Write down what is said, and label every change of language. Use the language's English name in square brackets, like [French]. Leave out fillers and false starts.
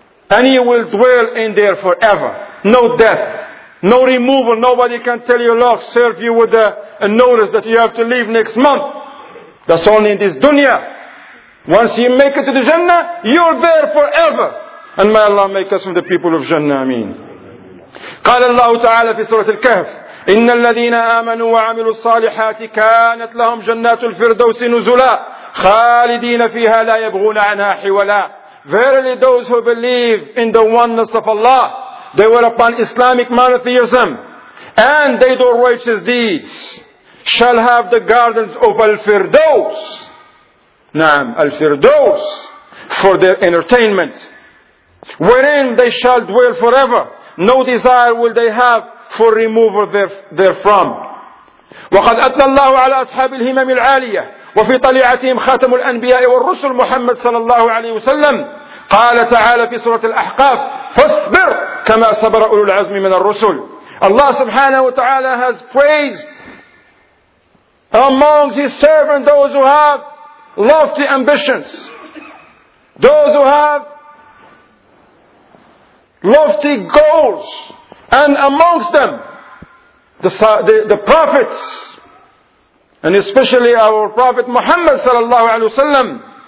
[English] And you will dwell in there forever. No death, no removal. Nobody can tell you, Lord, serve you with a notice that you have to leave next month. That's only in this dunya. Once you make it to the Jannah, you're there forever. And may Allah make us from the people of Jannah. Ameen. [Arabic] قال الله تعالى في سورة الكهف إن الذين آمنوا وعملوا الصالحات كانت لهم جنات الفردوس نزلا خالدين فيها لا يبغون عنها حولا. [English] Verily those who believe in the oneness of Allah, they were upon Islamic monotheism, and they do righteous deeds, shall have the gardens of Al-Firdaus. Naam, Al-Firdaus, for their entertainment, wherein they shall dwell forever. No desire will they have for removal therefrom. [Arabic] وَقَدْ أَتْلَى اللَّهُ عَلَىٰ أَصْحَابِ الْهِمَمِ الْعَالِيَةِ وَفِي طَلِعَتِهِمْ خَاتَمُ الْأَنْبِيَاءِ وَالرُّسُلُ مُحَمَّدٍ صلى الله عليه وسلم. قال تعالى في سورة الأحقاف فاصبر كما صبر أولو العزم من الرسل. [English] Allah subhanahu wa ta'ala has praised among His servants those who have lofty ambitions, those who have lofty goals, and amongst them the prophets, and especially our Prophet Muhammad sallallahu alayhi wa sallam.